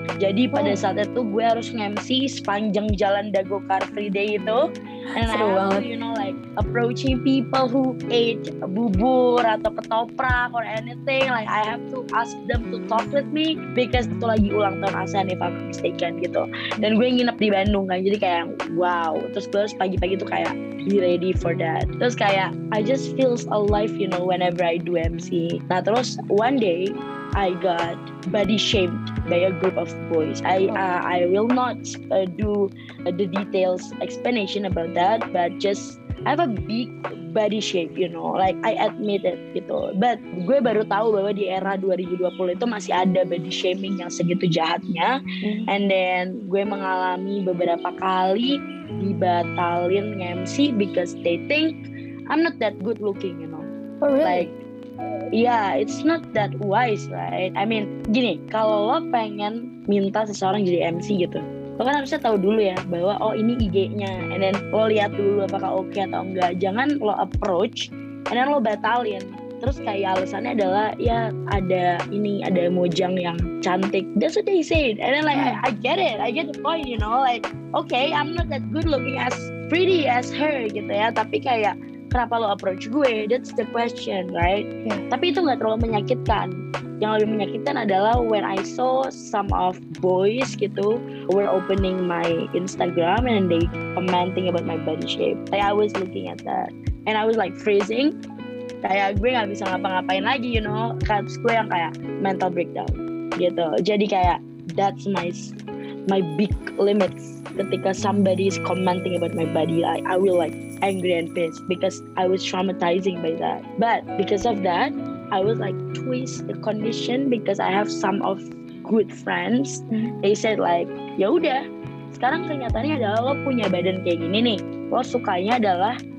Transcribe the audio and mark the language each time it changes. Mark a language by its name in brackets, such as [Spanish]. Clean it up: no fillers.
[Indonesian] Jadi pada saat itu gue harus nge-MC sepanjang jalan Dago Car Free Day itu. And seru banget. [English] You know, like approaching people who ate bubur atau ketoprak or anything. Like I have to ask them to talk with me because itu lagi ulang tahun ASEAN if I'm mistaken gitu. [Indonesian] Dan gue nginep di Bandung kan, jadi kayak wow. Terus gue harus pagi-pagi tuh kayak be ready for that. [English] Terus kayak I just feels alive, you know, whenever I do MC. Nah terus one day I got body shamed by a group of boys. I will not do the details explanation about that, but just I have a big body shape, you know, like I admit it gitu. [Indonesian] But gue baru tahu bahwa di era 2020 itu masih ada body shaming yang segitu jahatnya. [English] And then gue mengalami beberapa kali dibatalin MC because they think I'm not that good looking, you know. Oh really? Like, yeah, it's not that wise, right? [Indonesian] I mean, gini, kalau lo pengen minta seseorang jadi MC gitu, lo kan harusnya tahu dulu ya bahwa oh ini IG-nya, and then lo lihat dulu apakah oke atau enggak. Jangan lo approach, and then lo batalin. Terus kayak alasannya adalah ya ada ini, ada mojang yang cantik. [English] That's what they said. And then like I get it, I get the point, you know, like okay, I'm not that good looking as pretty as her gitu ya. [Indonesian] Tapi kayak kenapa lo approach gue? That's the question, right? Yeah. Tapi itu nggak terlalu menyakitkan. [English] Yang lebih menyakitkan adalah when I saw some of boys gitu were opening my Instagram and they commenting about my body shape. Like I was looking at that and I was like freezing. [Indonesian] Kayak gue nggak bisa ngapa-ngapain lagi, you know. Terus gue yang kayak mental breakdown gitu. [English] Jadi kayak that's my big limits. Ketika somebody is commenting about my body, I will like angry and pissed because I was traumatizing by that. But because of that, I was like twist the condition because I have some of good friends. [Indonesian] They said like, ya udah, sekarang kenyataannya adalah lo punya badan kayak gini nih, lo sukanya adalah